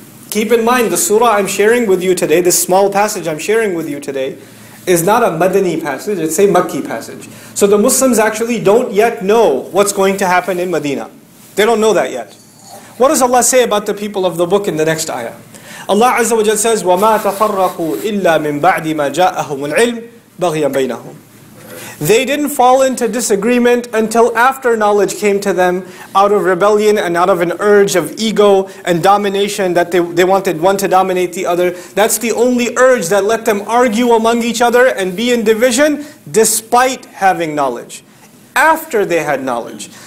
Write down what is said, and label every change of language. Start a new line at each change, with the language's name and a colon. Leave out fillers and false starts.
English: Keep in mind, the surah I'm sharing with you today, this small passage I'm sharing with you today, is not a Madani passage, it's a Makki passage. So the Muslims actually don't yet know what's going to happen in Medina. They don't know that yet. What does Allah say about the people of the book in the next ayah? Allah Azza wa Jal says,
Arabic: وَمَا تَفَرَّقُوا إِلَّا مِنْ بَعْدِ مَا جَاءَهُمُ الْعِلْمِ بَغْيًا بَيْنَهُمْ.
English: They didn't fall into disagreement until after knowledge came to them out of rebellion and out of an urge of ego and domination that they wanted one to dominate the other. That's the only urge that let them argue among each other and be in division despite having knowledge. After they had knowledge.